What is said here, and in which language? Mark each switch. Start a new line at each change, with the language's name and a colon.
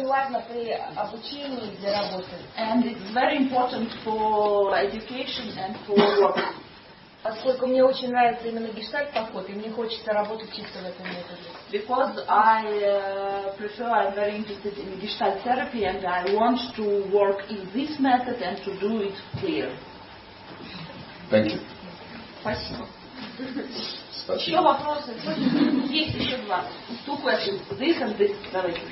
English: And it's very important for education and for work.
Russian: Поскольку мне очень нравится именно гештальт подход, и мне хочется работать чисто в этом методе.
English: Because I prefer, I'm very interested in gestalt therapy, and I want to work in this method and to do it clear. Thank you.
Russian: Спасибо. Спасибо. Еще вопросы? Есть еще два.
English: Two questions. This and this.
Russian: Давайте.